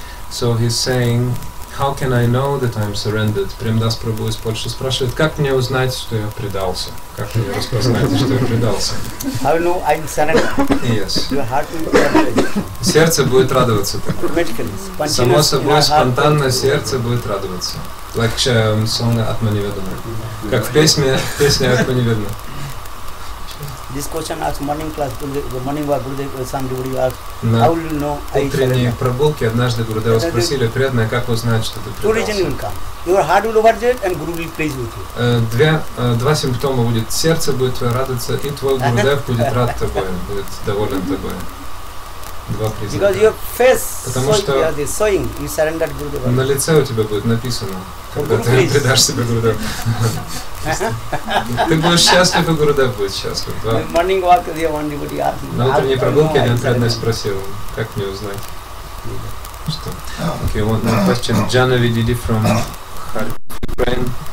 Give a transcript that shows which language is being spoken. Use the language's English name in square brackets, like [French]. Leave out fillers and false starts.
[English] So he's saying, how can I know that I'm surrendered? [Russian] Prem Das Prabhu из Польши спрашивает, как мне узнать, что я предался? Как мне распознать, что я предался? [English] How you know I'm surrendered? Yes. Your heart will surrender. [Russian] Сердце будет радоваться так. [English] Automatically. [Russian] Само собой, спонтанно сердце будет радоваться. [English] Like song Atma Nivedana. [Russian] Как в песне [English] Atma Nivedana. This question asked morning class, the morning was Gurudev, some devotee asked, how will you know I surrender? [Russian] На утренней прогулке однажды Гурудева спросили, преданная, как узнать, что ты предался? [English] Two reasons will come. Your heart will over there and Guru will praise with you. [Russian] Два симптома будет. Сердце будет твое радоваться, и твой Гурудев будет рад тобой, будет доволен тобой. [English] Because your face is showing, you surrendered Gurudeva. [Russian] На лице у тебя будет написано, когда ты предашь себе Гурудеву. Ты будешь счастлив, и Гурудев будет счастлив. [English] Morning walk, the one devotee asked. [Russian] На утренней прогулке один преданный спросил, как мне узнать, что? [English] Okay, one question. Jana Vididi from Ukraine.